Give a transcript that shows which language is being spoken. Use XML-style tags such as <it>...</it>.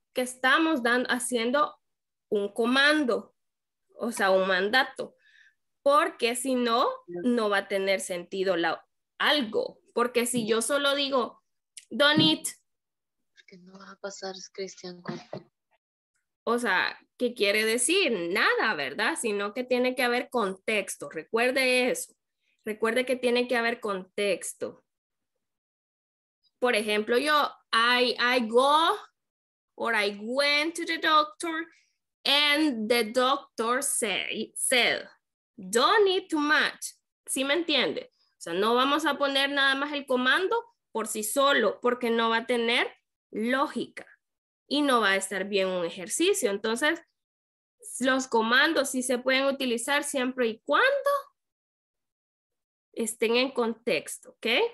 <es>que estamos dando, haciendo un comando, o sea, un mandato, porque si no, no va a tener sentido la, algo, porque si yo solo digo,</es> <en>don't eat,</en> <es>¿qué no va a pasar, Cristian? O sea, ¿qué quiere decir? Nada, ¿verdad? Sino que tiene que haber contexto, recuerde eso, recuerde que tiene que haber contexto. Por ejemplo, yo,</es> <en>I go, or I went to the doctor, and the doctor said, don't eat too much.</en> <es>¿Sí me entiende? O sea, no vamos a poner nada más el comando por sí solo, porque no va a tener lógica y no va a estar bien un ejercicio. Entonces, los comandos sí se pueden utilizar siempre y cuando estén en contexto, ¿ok?</es>